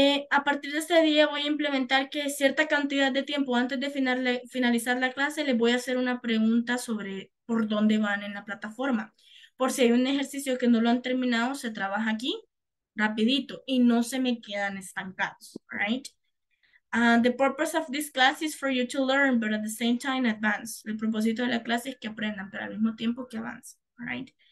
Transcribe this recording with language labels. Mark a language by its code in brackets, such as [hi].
[es] A partir de este día voy a implementar que cierta cantidad de tiempo antes de finalizar la clase les voy a hacer una pregunta sobre por dónde van en la plataforma. Por si hay un ejercicio que no lo han terminado, se trabaja aquí rapidito y no se me quedan estancados, right? [en] The purpose of this class is for you to learn, but at the same time advance. [es] El propósito de la clase es que aprendan, pero al mismo tiempo que avancen, right?